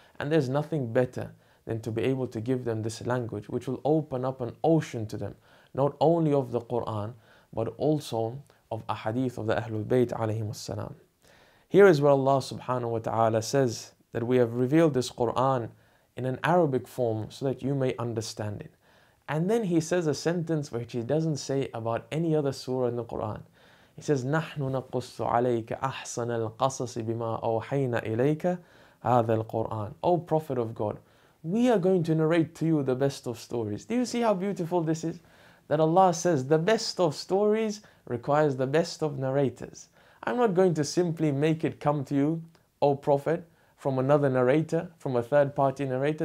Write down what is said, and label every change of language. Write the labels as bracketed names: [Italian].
[English] And there's nothing better than to be able to give them this language, which will open up an ocean to them, not only of the Quran, but also of ahadith of the Ahlul Bayt alayhim as-salam. Here is where Allah subhanahu wa ta'ala says that we have revealed this Quran in an Arabic form so that you may understand it. And then he says a sentence which he doesn't say about any other surah in the Quran. He says, [Arabic] نَحْنُ نَقُصُّ عَلَيْكَ أَحْسَنَ الْقَصَصِ بِمَا أَوْحَيْنَا إِلَيْكَ هَذَا الْقُرْآنِ. [English] O Prophet of God, we are going to narrate to you the best of stories. Do you see how beautiful this is? That Allah says, the best of stories requires the best of narrators. I'm not going to simply make it come to you, O Prophet, from another narrator, from a third party narrator.